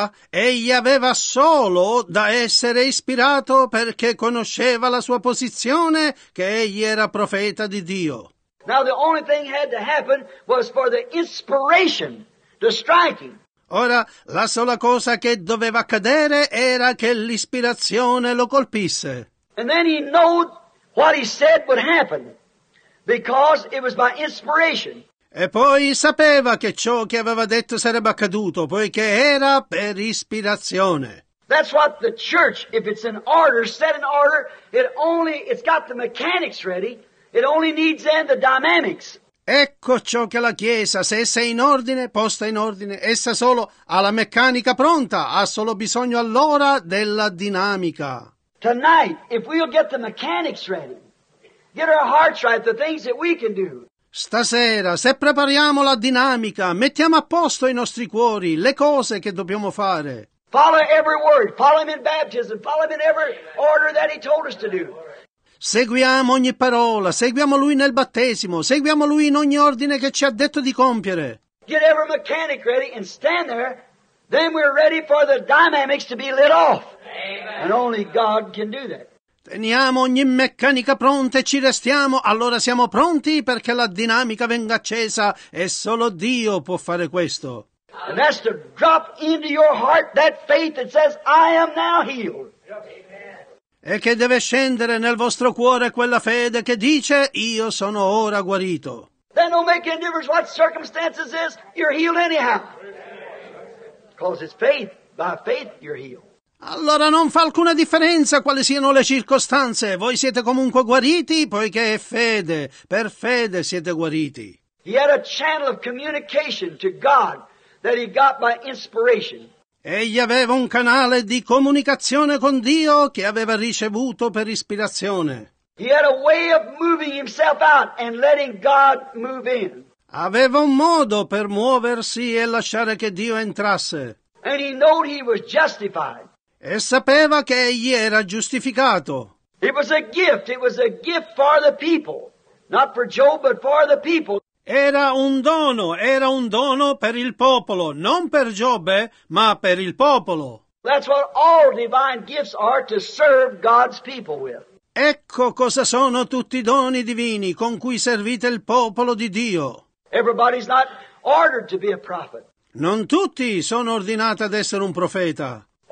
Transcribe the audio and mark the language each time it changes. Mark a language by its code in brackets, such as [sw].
[it] Egli aveva solo da essere ispirato perché conosceva la sua posizione che egli era profeta di Dio. [en] Now the only thing had to happen was for the inspiration to strike him. [it] Ora la sola cosa che doveva accadere era che l'ispirazione lo colpisse. [en] And then he knew what he said would happen, because it was by inspiration. [it] E poi sapeva che ciò che aveva detto sarebbe accaduto, poiché era per ispirazione. [en] That's what the church, if it's in order, set in order, it's got the mechanics ready, it only needs then the dynamics. [it] Ecco ciò che la Chiesa, se essa è in ordine, posta in ordine, essa solo ha la meccanica pronta, ha solo bisogno allora della dinamica. [en] Tonight, if we'll get the mechanics ready, get our hearts right, the things that we can do. [it] Stasera, se prepariamo la dinamica, mettiamo a posto i nostri cuori, le cose che dobbiamo fare. [en] Follow every word, follow him in baptism, follow him in every order that he told us to do. [it] Seguiamo ogni parola, seguiamo lui nel battesimo, seguiamo lui in ogni ordine che ci ha detto di compiere. [en] Get every mechanic ready and stand there, then we're ready for the dynamics to be lit off. And only God can do that. [it] Teniamo ogni meccanica pronta e ci restiamo, allora siamo pronti perché la dinamica venga accesa e solo Dio può fare questo. [en] And that's to drop into your heart that faith that says, I am now healed. Amen. [it] E che deve scendere nel vostro cuore quella fede che dice, io sono ora guarito. [en] Then don't make any difference what circumstances is, you're healed anyhow. Because it's faith, by faith you're healed. [it] Allora non fa alcuna differenza quali siano le circostanze. Voi siete comunque guariti, poiché è fede. Per fede siete guariti. [en] He had a channel of communication to God that he got by inspiration. [it] Egli aveva un canale di comunicazione con Dio che aveva ricevuto per ispirazione. [en] He had a way of moving himself out and letting God move in. [it] Aveva un modo per muoversi e lasciare che Dio entrasse. [en] And he knew he was justified. [it] e sapeva che egli era giustificato. [en] It was a gift. It was a gift for the people. Not for Job, but for the people. [it] Era un dono per il popolo, non per Giobbe, ma per il popolo. [en] That's what all divine gifts are to serve God's people with. [it] Ecco cosa sono tutti i doni divini con cui servite il popolo di Dio. [en] Everybody's not ordered to be a prophet. [it] Non tutti sono ordinati ad essere un profeta.